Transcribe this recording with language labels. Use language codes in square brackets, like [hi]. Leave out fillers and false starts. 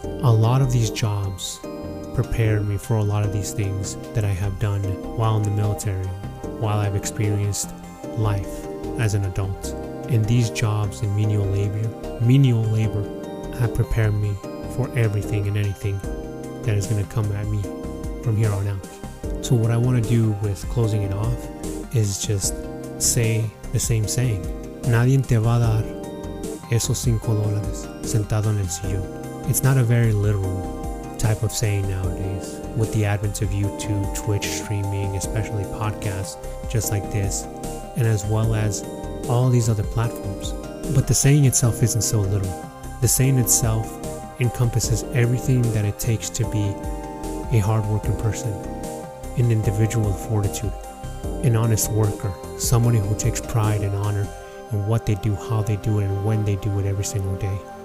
[en] A lot of these jobs prepared me for a lot of these things that I have done while in the military, while I've experienced life as an adult. And these jobs in menial labor have prepared me for everything and anything that is going to come at me from here on out. So what I want to do with closing it off is just say the same saying. [es] Nadie te va a dar esos $5 sentado en el sillón. [en] It's not a very literal type of saying nowadays. With the advent of YouTube, Twitch streaming, especially podcasts just like this, and as well as all these other platforms. But the saying itself isn't so literal. The saying itself encompasses everything that it takes to be a hardworking person, an individual of fortitude, an honest worker, somebody who takes pride and honor in what they do, how they do it, and when they do it every single day.